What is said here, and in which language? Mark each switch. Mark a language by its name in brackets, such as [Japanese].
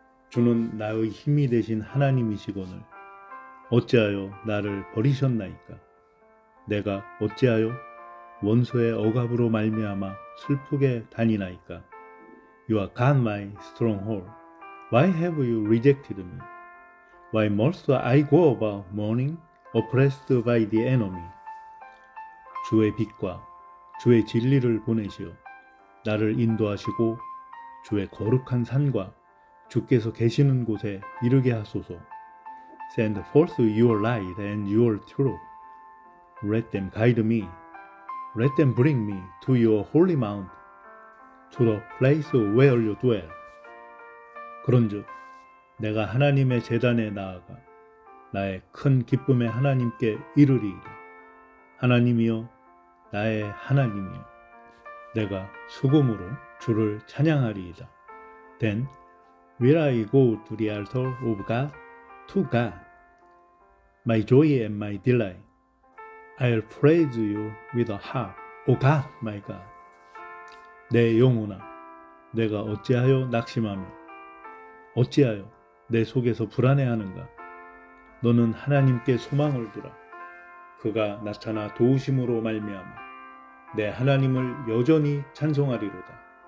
[Korean] 주는 나의 힘이 되신 하나님이시거늘 어찌하여 나를 버리셨나이까? 내가 어찌하여 원수의 억압으로 말미암아 슬프게 다니나이까? [English] You are God my stronghold. Why have you rejected me? Why must I go about mourning, oppressed by the enemy? [Korean] 주의 빛과 주의 진리를 보내시어 나를 인도하시고 주의 거룩한 산과 주께서 계시는 곳에 이르게 하소서. [English] Send forth your light and your truth. Let them guide me. Let them bring me to your holy mount, to the place where you dwell. [Korean] 그런즉 내가 하나님의 제단에 나아가 나의 큰 기쁨의 하나님께 이르리이다. 하나님이여, 나의 하나님이여, 내가 수금으로 주를 찬양하리이다. [English] Then will I go to the altar of God, to God, my joy and my delight. I'll praise you with a harp, O God, my God. [Korean] 내 영혼아, 내가 어찌하여 낙심하며 어찌하여 내 속에서 불안해하는가? 너는 하나님께 소망을 두라. 그가 나타나 도우심으로 말미암아 내 하나님을 여전히 찬송하리로다.